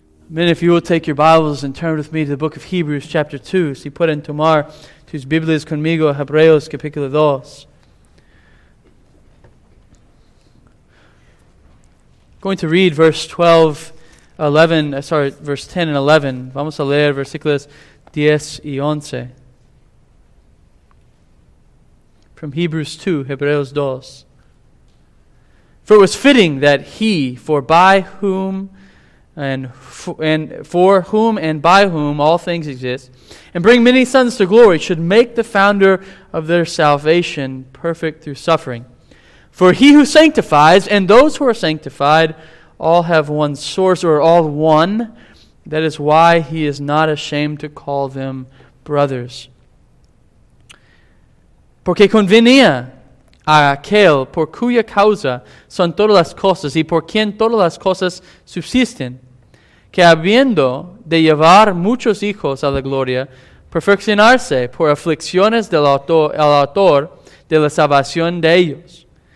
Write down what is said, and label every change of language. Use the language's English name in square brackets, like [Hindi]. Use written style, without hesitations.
[English] Men, if you will take your Bibles and turn with me to the book of Hebrews, chapter 2. [Spanish] Si pueden tomar tus Biblias conmigo, Hebreos, capítulo 2. [English] Going to read verse 10 and 11. [Spanish] Vamos a leer versículos 10 y 11. [English] From Hebrews 2, Hebreos 2. For it was fitting that he, for whom and by whom all things exist, and bring many sons to glory, should make the founder of their salvation perfect through suffering. For he who sanctifies and those who are sanctified all have one source, or all one. That is why he is not ashamed to call them brothers. [Spanish] Porque convenía a aquel por cuya causa son todas las cosas y por quien todas las cosas subsisten, que habiendo de llevar muchos hijos a la gloria, perfeccionarse por aflicciones del autor de la salvación de ellos.